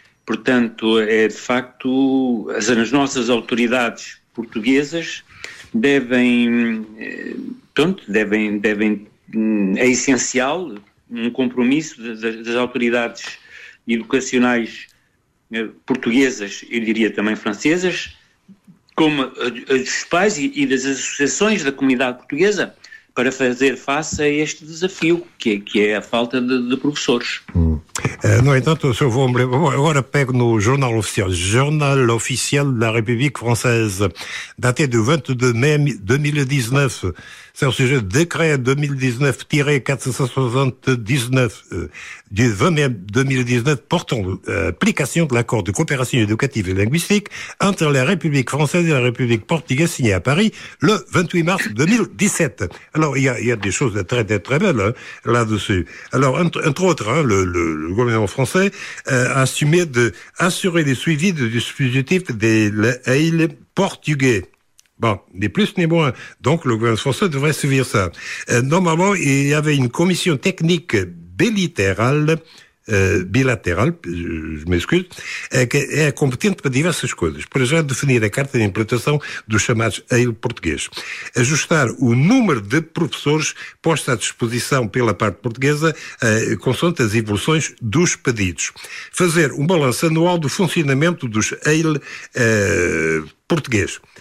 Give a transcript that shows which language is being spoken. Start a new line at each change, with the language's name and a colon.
Portuguese: Portanto, é de facto, as nossas autoridades portuguesas é essencial um compromisso das autoridades educacionais portuguesas, eu diria também francesas, como dos pais e das associações da comunidade portuguesa, para fazer face a este desafio, que é a falta de professores. No entanto, se eu vou me lembrar, agora pego no Jornal Oficial, Jornal Oficial da República Française, daté do 22 de maio de 2019,
French: c'est au sujet décret 2019-470-19 du 20 mai 2019 portant application de l'accord de coopération éducative et linguistique entre la République française et la République portugaise signé à Paris le 28 mars 2017. Alors, il y a des choses de très, très belles, hein, là-dessus. Alors, entre autres, hein, le gouvernement mais en français, assumé d'assurer le suivi du dispositif des ailes portugais. Bon, ni plus ni moins. Donc, le gouvernement français devrait suivre ça. Normalement, il y avait une commission technique bilatérale, je m'excuse, qui est compétente pour diverses choses. Pour exemple, définir la carte d'implantation du chamado AIL português.
Portuguese: Ajustar o número de professores postos à disposição pela parte portuguesa, consoante as evoluções dos pedidos. Fazer um balanço anual do funcionamento dos AIL português.